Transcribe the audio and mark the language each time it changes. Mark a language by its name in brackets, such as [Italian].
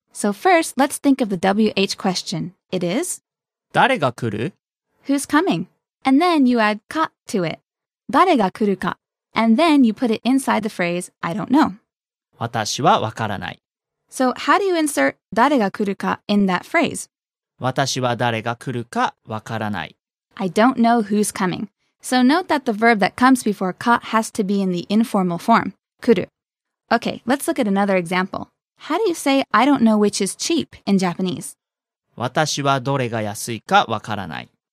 [English] So first, let's think of the WH question. It is? [Japanese] 誰が来る? [English] Who's coming? And then you add か to it. [Japanese] 誰が来るか? [English] And then you put it inside the phrase, I don't know. [Japanese] 私はわからない。 [English] So how do you insert [Japanese] 誰が来るか [English] in that phrase? [Japanese] 私は誰が来るかわからない。 [English] I don't know who's coming. So note that the verb that comes before か has to be in the informal form, 来る。 Okay, let's look at another example. How do you say, I don't know which is cheap in Japanese? [Japanese] 私はどれが安いかわからない。